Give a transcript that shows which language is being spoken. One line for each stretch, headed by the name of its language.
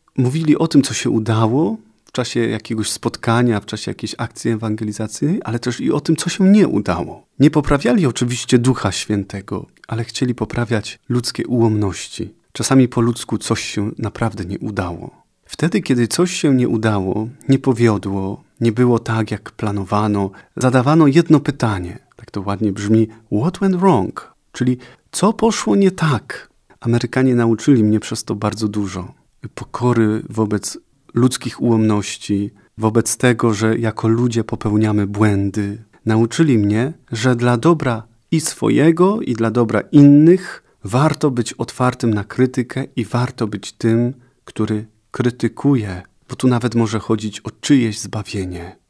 Polish: Mówili o tym, co się udało w czasie jakiegoś spotkania, w czasie jakiejś akcji ewangelizacyjnej, ale też i o tym, co się nie udało. Nie poprawiali oczywiście Ducha Świętego, ale chcieli poprawiać ludzkie ułomności. Czasami po ludzku coś się naprawdę nie udało. Wtedy, kiedy coś się nie udało, nie powiodło, nie było tak, jak planowano, zadawano jedno pytanie. Tak to ładnie brzmi,
English: what went wrong?
Polish: Czyli co poszło nie tak? Amerykanie nauczyli mnie przez to bardzo dużo. Pokory wobec ludzkich ułomności, wobec tego, że jako ludzie popełniamy błędy. Nauczyli mnie, że dla dobra i swojego, i dla dobra innych warto być otwartym na krytykę i warto być tym, który krytykuje, bo tu nawet może chodzić o czyjeś zbawienie.